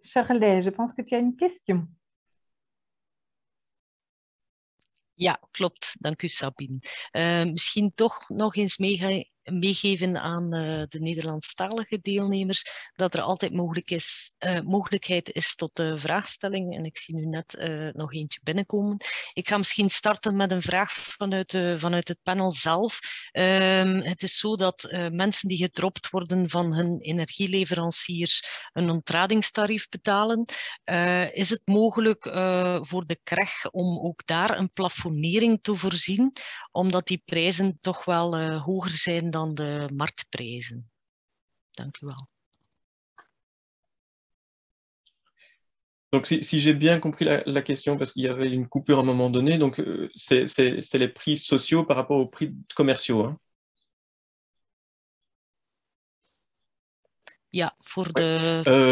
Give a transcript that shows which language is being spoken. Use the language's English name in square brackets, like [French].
[French] Charlet, je pense que tu as une question. [Dutch] Ja, klopt. Dank u, Sabine. Misschien toch nog eens meegeven aan de Nederlandstalige deelnemers dat er altijd mogelijkheid is tot vraagstelling. En ik zie nu net nog eentje binnenkomen. Ik ga misschien starten met een vraag vanuit het panel zelf. Het is zo dat mensen die gedropt worden van hun energieleveranciers een ontradingstarief betalen. Is het mogelijk voor de CREG om ook daar een plafonnering te voorzien, omdat die prijzen toch wel hoger zijn dan de marktprijzen? Dank u wel. [French] Donc si j'ai bien compris la question, parce qu'il y avait une coupure à un moment donné, donc c'est les prix sociaux par rapport aux prix commerciaux, hein. [Dutch] Ja, voor de...